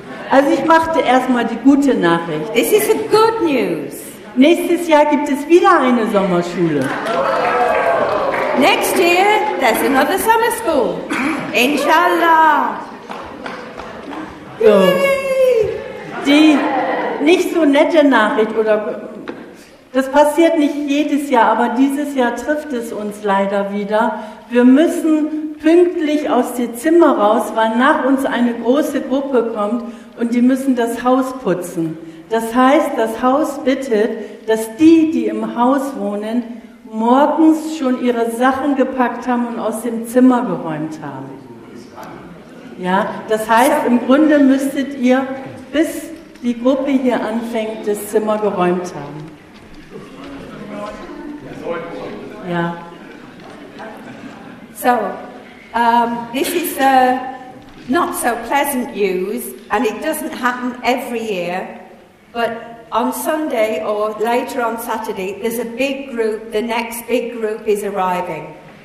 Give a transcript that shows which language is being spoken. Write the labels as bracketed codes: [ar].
[de] Also ich machte erstmal die gute Nachricht. [en] This is a good news. [de] Nächstes Jahr gibt es wieder eine Sommerschule. [en] Next year there's another summer school. [ar] Inshallah. So. [de] Die nicht so nette Nachricht, oder das passiert nicht jedes Jahr, aber dieses Jahr trifft es uns leider wieder. Wir müssen pünktlich aus dem Zimmer raus, weil nach uns eine große Gruppe kommt. Und die müssen das Haus putzen. Das heißt, das Haus bittet, dass die, die im Haus wohnen, morgens schon ihre Sachen gepackt haben und aus dem Zimmer geräumt haben. Ja, das heißt, im Grunde müsstet ihr, bis die Gruppe hier anfängt, das Zimmer geräumt haben. Ja. [en] So, this is a not so pleasant news. And it doesn't happen every year, but on Sunday or later on Saturday, there's a big group, the next big group is arriving.